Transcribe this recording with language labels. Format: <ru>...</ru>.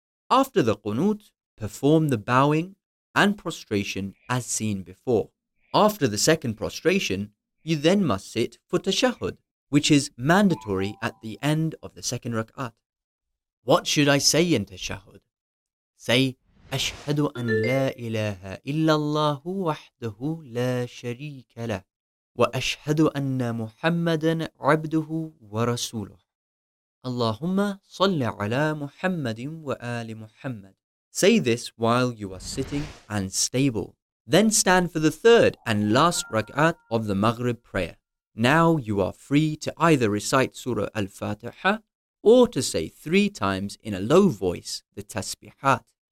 <en>After the qunut, perform the bowing and prostration as seen before. After the 2nd prostration, you then must sit for tashahud, which is mandatory at the end of the 2nd rak'at. What should I say in tashahud? Say,</en> <ar>أشهد أن لا إله إلا الله وحده لا شريك له وأشهد أن محمدا عبده ورسوله اللهم صل على محمد وآل محمد</ar> <en>Say this while you are sitting and stable. Then stand for the third and last rak'at of the Maghrib prayer. Now you are free to either recite Surah Al-Fatiha or to say three times in a low voice the Tasbihat.</en>